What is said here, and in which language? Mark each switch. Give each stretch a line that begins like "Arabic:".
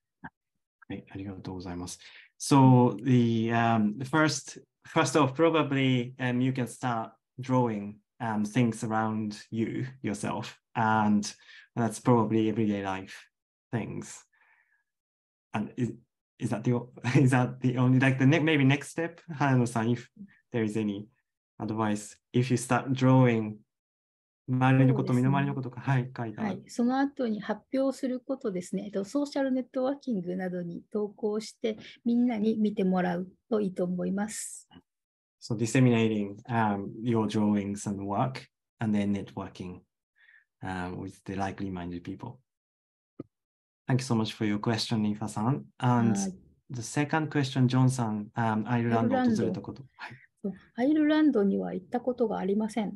Japanese: はい、ありがとうございます。
English: So the first off, probably you can start drawing things around you yourself, and that's probably everyday life things. And is that the only like the maybe next step? Hayanon-san, if there is any advice, if you start drawing.
Japanese: 周りのこと、ね、身の回りのことか、はい、書いた。はい、その後に発表することですね。ソーシャルネットワーキングなどに投稿して、みんなに見てもらうといいと思います。
English: So disseminating your drawings and work, and then networking with the like-minded people. Thank you so much for your question, Aoife-san. And the second question, John-san, Ireland
Japanese: を訪れたこと。アイルランドには行ったことがありません。